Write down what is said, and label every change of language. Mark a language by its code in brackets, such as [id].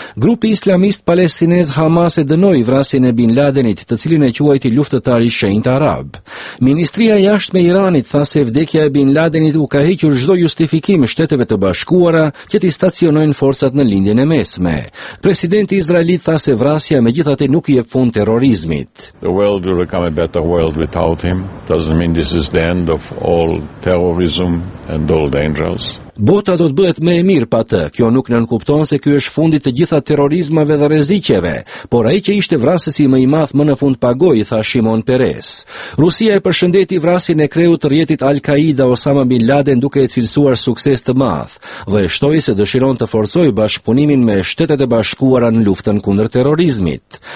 [sq] Grupi islamist palestinez Hamas e dënoi vrasjen e Bin Ladenit, të cilin e quajti luftëtar i shenjt arab. Ministria e Jashtme e Iranit tha se vdekja e Bin Ladenit u ka hequr çdo justifikim Shteteve të Bashkuara që të stacionojnë forcat në lindjen e mesme. Presidenti izraelit tha se vrasja megjithatë nuk i jep fund terrorizmit. [en] The world will become a better world without him. Doesn't mean this is the end of all terrorism and all dangers. [sq] Bota do të bëhet më e mirë pa të. Kjo nuk nënkupton se ky është fundi të gjitha terrorizmave dhe rrezikeve, por ai që ishte vrasësi më i madh më në fund pagoi, tha Shimon Peres. Rusia e përshëndeti vrasjen e kreut të rrjetit Al-Qaida Osama Bin Laden duke e cilësuar sukses të madh dhe shtoi se dëshiron të forcojë bashkëpunimin me Shtetet e Bashkuara në luftën kundër terrorizmit.